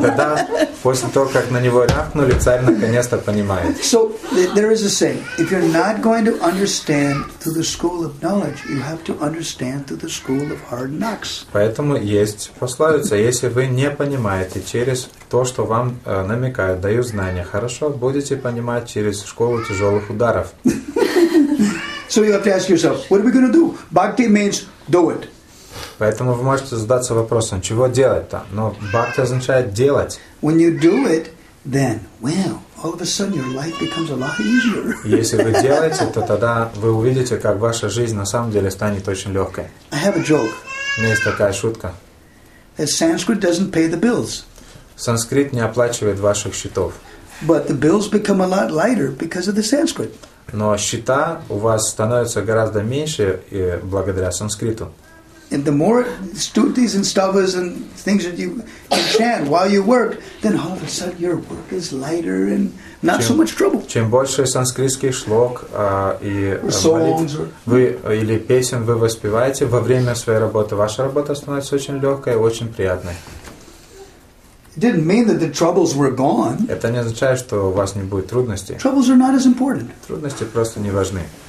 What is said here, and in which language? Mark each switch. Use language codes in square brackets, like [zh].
[ru] И тогда, после того, как на него рявкнули, царь наконец-то понимает. [en] So, there is a saying, if you're not going to understand through the school of knowledge, you have to understand through the school of hard knocks. [ru] Поэтому есть пословица, если вы не понимаете через то, что вам намекают, дают знания, хорошо, будете понимать через школу тяжелых ударов. [en] So you have to ask yourself, what are we going to do? Bhakti means do it. [ru] Поэтому вы можете задаться вопросом, чего делать-то? Но бхакти означает делать. [en] When you do it, then, well, all of a sudden your life becomes a lot easier. [ru] Если вы делаете, то тогда вы увидите, как ваша жизнь на самом деле станет очень легкой. [en] I have a joke. [ru] У меня есть такая шутка. [en] That Sanskrit doesn't pay the bills. [ru] Санскрит не оплачивает ваших счетов. [en] But the bills become a lot lighter because of the Sanskrit. [ru] Но счета у вас становятся гораздо меньше благодаря санскриту. [en] And the more stutis and stavas and things that you chant while you work, then all of a sudden your work is lighter and not so much trouble. [ru] Чем больше санскритских шлок и молитв, или песен вы воспеваете во время своей работы, ваша работа становится очень легкой и очень приятной. [en] It didn't mean that the troubles were gone. [ru] Это не означает, что у вас не будет трудностей. [en] Troubles are not as important. [ru] Трудности просто не важны.